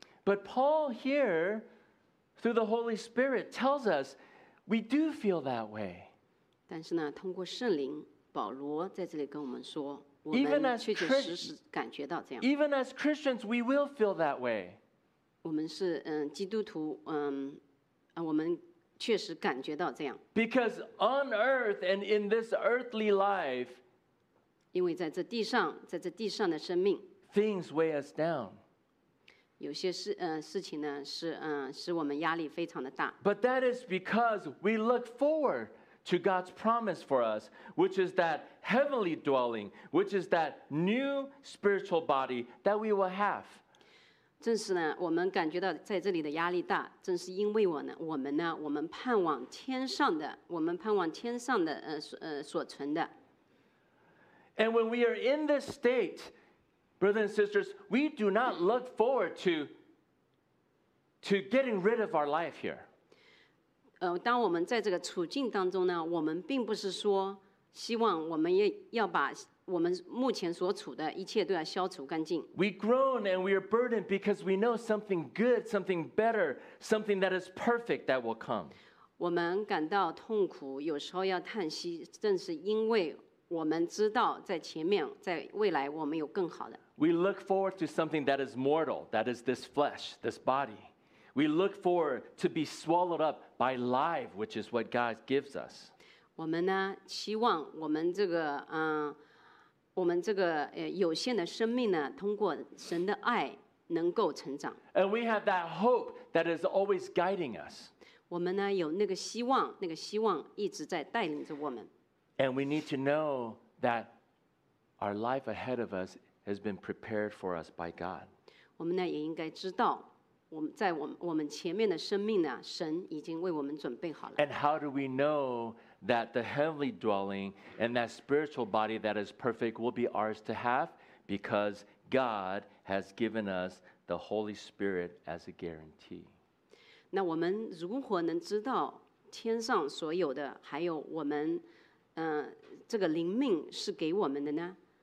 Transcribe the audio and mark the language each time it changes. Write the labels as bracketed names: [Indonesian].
[English] But Paul here, through the Holy Spirit, tells us we do feel that way. [Chinese] 但是呢，通过圣灵，保罗在这里跟我们说，我们确确实实感觉到这样。 [English] Even as Christians, we will feel that way. [Chinese] 我们是基督徒，我们。确实感觉到这样。 [English] Because on earth and in this earthly life, [Chinese] 因为在这地上，在这地上的生命 [English] ，things weigh us down. [Chinese] 有些事情呢是使我们压力非常的大。 [English] But that is because we look forward to God's promise for us, which is that heavenly dwelling, which is that new spiritual body that we will have. [Chinese] 正是呢，我们感觉到在这里的压力大，正是因为我们盼望天上的，我们盼望天上的所存的。 [English] And when we are in this state, brothers and sisters, we do not look forward to getting rid of our life here. [Chinese] 当我们在这个处境当中呢，我们并不是说希望我们要把。我们目前所处的一切都要消除干净。 [English] We groan and we are burdened because we know something good, something better, something that is perfect that will come. [Chinese] 我们感到痛苦，有时候要叹息，正是因为我们知道在前面，在未来我们有更好的。 [English] We look forward to something that is mortal, that is this flesh, this body. We look forward to be swallowed up by life, which is what God gives us. [Chinese] 我们呢，期望我们这个我们这个有限的生命呢，通过神的爱能够成长。 [English] And we have that hope that is always guiding us. [Chinese] 我们呢有那个希望，那个希望一直在带领着我们。 [English] And we need to know that our life ahead of us has been prepared for us by God. [Chinese] 我们呢也应该知道，我们在我们前面的生命呢，神已经为我们准备好了。 [English] And how do we know? That the heavenly dwelling and that spiritual body that is perfect will be ours to have because God has given us the Holy Spirit as a guarantee. [Chinese] 那我们如何能知道天上所有的还有我们这个灵命是给我们的呢？